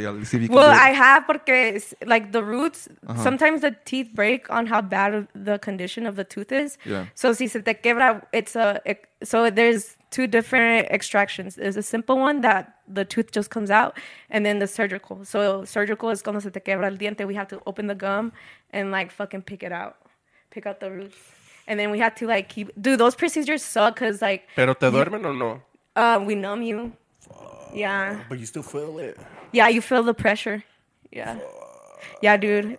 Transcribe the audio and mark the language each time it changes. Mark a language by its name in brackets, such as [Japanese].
[English] Yeah, let's see if you well, can." Well, I have porque it's, like the roots. Uh-huh. Sometimes the teeth break on how bad the condition of the tooth is. Yeah. So [Spanish] si se te quebra, [English] it's a so there's. Two different extractions. There's a simple one that the tooth just comes out, and then the surgical. So surgical is [Spanish] cuando se te quebra el diente. [English] We have to open the gum and, like, fucking pick it out. Pick out the roots. And then we have to, like, keep... Dude, those procedures suck because, like... [Spanish] ¿Pero te duermen o no? [English] We numb you. Yeah. But you still feel it. Yeah, you feel the pressure. Yeah. Yeah, dude.